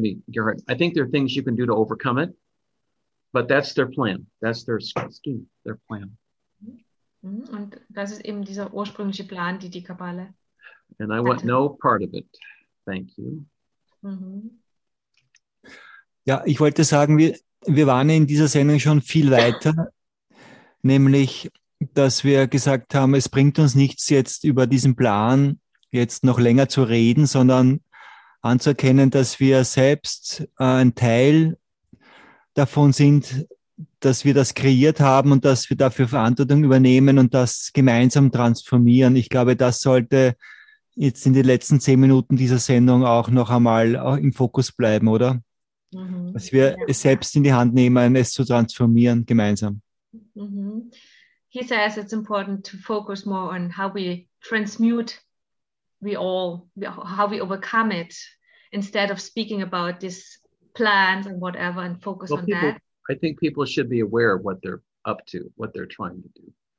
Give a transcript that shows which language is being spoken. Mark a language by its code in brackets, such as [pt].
[en] Gerhard, I think there are things you can do to overcome it, but that's their plan. That's their scheme, their plan. [de] Und das ist eben dieser ursprüngliche Plan, die Kabbale. [en] And I want no part of it. Thank you. [de] Ja, ich wollte sagen, wir waren in dieser Sendung schon viel weiter, nämlich, dass wir gesagt haben, es bringt uns nichts, jetzt über diesen Plan jetzt noch länger zu reden, sondern anzuerkennen, dass wir selbst ein Teil davon sind, dass wir das kreiert haben und dass wir dafür Verantwortung übernehmen und das gemeinsam transformieren. Ich glaube, das sollte jetzt in den letzten 10 Minuten dieser Sendung auch noch einmal im Fokus bleiben, oder? Dass wir es selbst in die Hand nehmen, es zu transformieren, gemeinsam. [en] He says it's important to focus more on how we transmute we all, how we overcome it, instead of speaking about this plans and whatever and focus on people, that. I think people should be aware of what they're up to, what they're trying to do.